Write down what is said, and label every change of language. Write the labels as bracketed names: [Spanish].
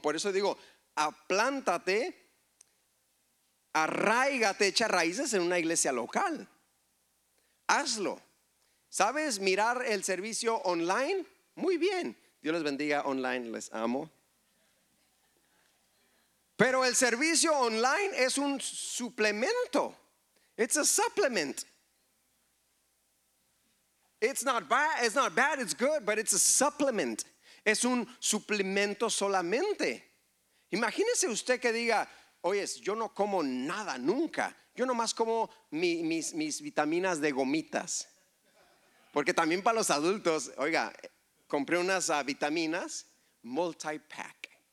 [Spanish] Por eso digo, aplántate, arráigate, echa raíces en una iglesia local. Hazlo. ¿Sabes mirar el servicio online? Muy bien. Dios les bendiga online, les amo. Pero el servicio online es un suplemento. [English] It's a supplement. It's not bad, it's good, but it's a supplement. [Spanish] Es un suplemento solamente. Imagínese usted que diga, oye, yo no como nada nunca. Yo nomás como mis vitaminas de gomitas. Porque también para los adultos, oiga, compré unas vitaminas multi-pack.